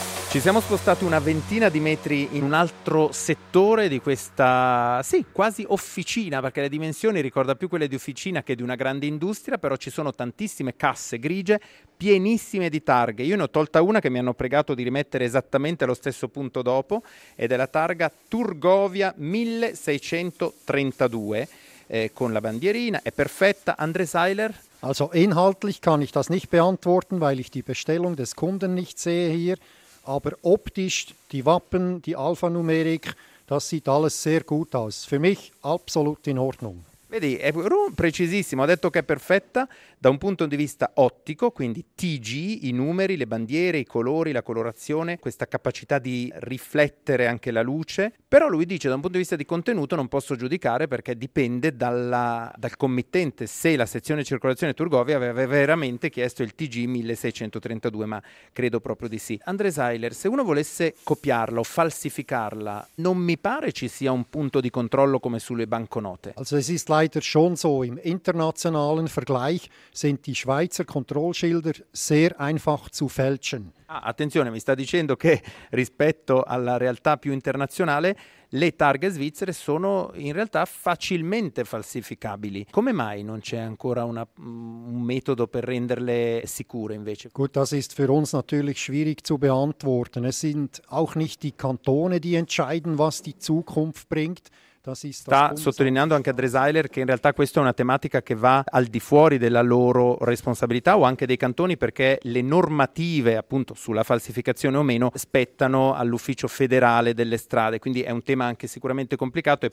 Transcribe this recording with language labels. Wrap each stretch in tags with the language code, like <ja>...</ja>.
<it>Ci siamo spostati una ventina di metri in un altro settore di questa, sì, quasi officina, perché le dimensioni ricorda più quelle di officina che di una grande industria, però ci sono tantissime casse grigie pienissime di targhe. Io ne ho tolta una che mi hanno pregato di rimettere esattamente allo stesso punto dopo, ed è la targa Turgovia 1632. Con la bandierina, è perfetta. André Seiler?</it> <de>Also inhaltlich kann ich das nicht beantworten, weil ich die Bestellung des Kunden nicht sehe hier, aber optisch die Wappen, die Alphanumerik, das sieht alles sehr gut aus. Für mich absolut in Ordnung.</de> <it>Vedi, è precisissimo, ha detto che è perfetta da un punto di vista ottico, quindi TG, i numeri, le bandiere, i colori, la colorazione, questa capacità di riflettere anche la luce. Però lui dice, da un punto di vista di contenuto non posso giudicare perché dipende dal committente, se la sezione circolazione Turgovia aveva veramente chiesto il TG 1632, ma credo proprio di sì. André Seiler, se uno volesse copiarla o falsificarla, non mi pare ci sia un punto di controllo come sulle banconote.</it> <de>Leider schon so. Im internationalen Vergleich sind die Schweizer Kontrollschilder sehr einfach zu fälschen.</de> <it>Ah, attenzione, mi sta dicendo che rispetto alla realtà più internazionale le targhe svizzere sono in realtà facilmente falsificabili. Come mai non c'è ancora un metodo per renderle sicure invece?</it> <de>Gut, das ist für uns natürlich schwierig zu beantworten. Es sind auch nicht die Kantone, die entscheiden, was die Zukunft bringt.</de> <it>Sta sottolineando anche André Seiler che in realtà questa è una tematica che va al di fuori della loro responsabilità o anche dei cantoni, perché le normative appunto sulla falsificazione o meno spettano all'ufficio federale delle strade, quindi è un tema anche sicuramente complicato.</it>